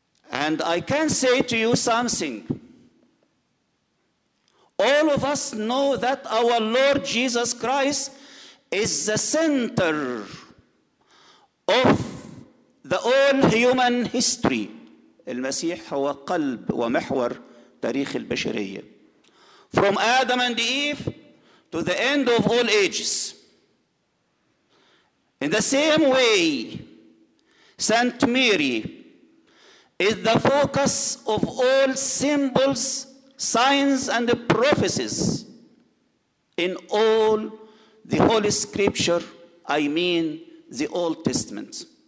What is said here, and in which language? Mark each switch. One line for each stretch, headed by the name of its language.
English: And I can say to you something. All of us know that our Lord Jesus Christ is the center of the all human history.
Arabic: المسيح هو قلب ومحور تاريخ البشرية.
English: From Adam and Eve to the end of all ages. In the same way, Saint Mary is the focus of all symbols, signs, and the prophecies in all the Holy Scripture, I mean the Old Testament.